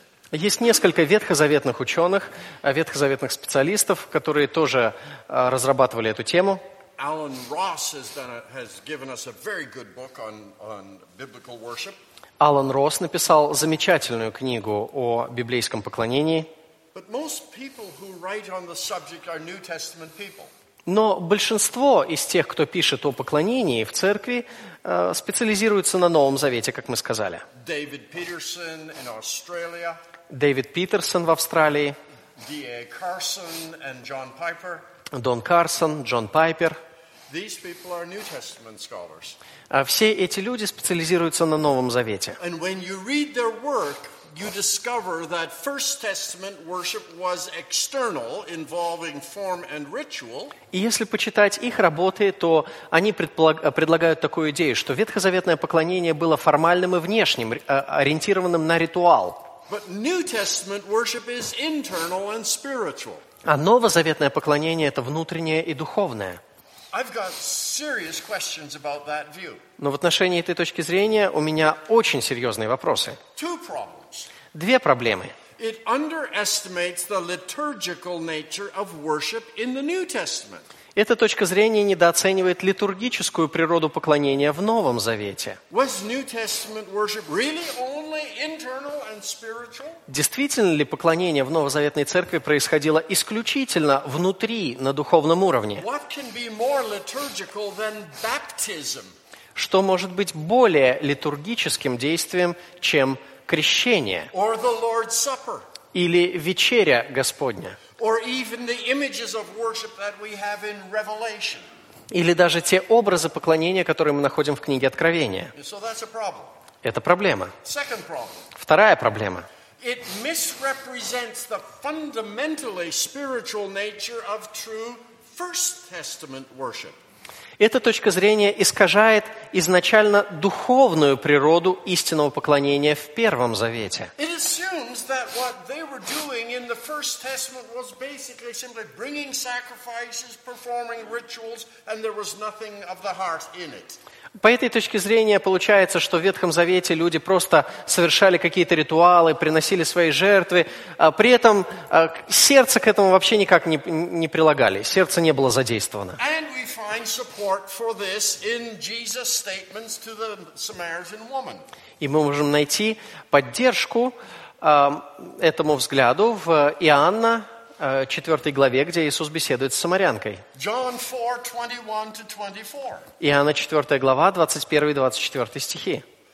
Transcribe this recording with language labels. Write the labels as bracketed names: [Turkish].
[Russian] Есть несколько ветхозаветных ученых, ветхозаветных специалистов, которые тоже разрабатывали эту тему. [English] Алан Росс has given us a very good book on biblical worship. [Russian] Алан Росс написал замечательную книгу о библейском поклонении. [English] But most people who write on the subject are New Testament people. [Russian] Но большинство из тех, кто пишет о поклонении в церкви, специализируются на Новом Завете, как мы сказали. [English] David Peterson in Australia. [Russian] Дэвид Питерсон в Австралии. [English] D.A. Carson and John Piper. [Russian] Дон Карсон, Джон Пайпер. [English] These people are New Testament scholars. [Russian] Все эти люди специализируются на Новом Завете. [English] And when you read their work, you discover that First Testament worship was external, involving form and ritual. [Russian] И если почитать их работы, то они предлагают такую идею, что ветхозаветное поклонение было формальным и внешним, ориентированным на ритуал. [English] But New Testament worship is internal and spiritual. [Russian] А новозаветное поклонение – это внутреннее и духовное. [English] I've got serious questions about that view. [Russian] Но в отношении этой точки зрения у меня очень серьезные вопросы. [English] Two problems. [Russian] Две проблемы. [English] It underestimates the liturgical nature of worship in the New Testament. [Russian] Эта точка зрения недооценивает литургическую природу поклонения в Новом Завете. [English] Was New Testament worship really only internal and spiritual? [Russian] Действительно ли поклонение в новозаветной церкви происходило исключительно внутри, на духовном уровне? [English] What can be more liturgical than baptism? [Russian] Что может быть более литургическим действием, чем крещение? [English] Or the Lord's Supper? [Russian] Или вечеря Господня? [English] Or even the images of worship that we have in Revelation. [Russian] Или даже те образы поклонения, которые мы находим в книге Откровения. [English] So that's a problem. [Russian] Это проблема. [English] Second problem. [Russian] Вторая проблема. [English] It misrepresents the fundamentally spiritual nature of true First Testament worship. [Russian] Эта точка зрения искажает изначально духовную природу истинного поклонения в Первом Завете. [English] It assumes that what they were doing in the First Testament was basically simply bringing sacrifices, performing rituals, and there was nothing of the heart in it. [Russian] По этой точке зрения получается, что в Ветхом Завете люди просто совершали какие-то ритуалы, приносили свои жертвы, а при этом сердце к этому вообще никак не прилагали, сердце не было задействовано. [English] And we find support for this in Jesus' statements to the Samaritan woman. [Russian] И мы можем найти поддержку этому взгляду в Иоанна, 4 главе, где Иисус беседует с самарянкой. [English] John 4, 21-24. [Russian] Иоанна 4 глава, 21-24 стихи.